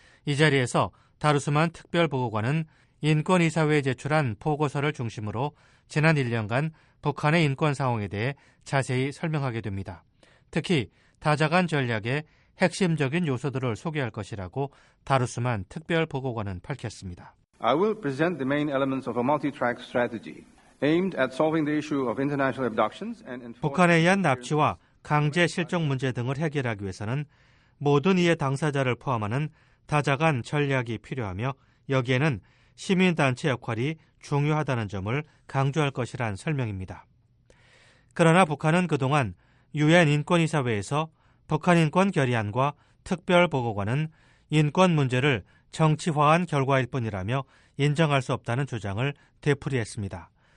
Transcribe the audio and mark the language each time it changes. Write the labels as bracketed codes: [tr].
[ko] 이 자리에서 다루스만 특별보고관은 인권이사회에 제출한 보고서를 중심으로 지난 1년간 북한의 인권 상황에 대해 자세히 설명하게 됩니다. 특히 다자간 전략의 핵심적인 요소들을 소개할 것이라고 다루스만 특별보고관은 밝혔습니다. [en] I will present the main elements of a multi-track strategy aimed at solving the issue of international abductions and enforcing... [ko] 북한에 의한 납치와 강제 실종 문제 등을 해결하기 위해서는 모든 이해 당사자를 포함하는 다자간 전략이 필요하며 여기에는 시민단체 역할이 중요하다는 점을 강조할 것이란 설명입니다. 그러나 북한은 그동안 유엔 인권이사회에서 북한인권결의안과 특별보고관은 인권 문제를 정치화한 결과일 뿐이라며 인정할 수 없다는 주장을 되풀이했습니다.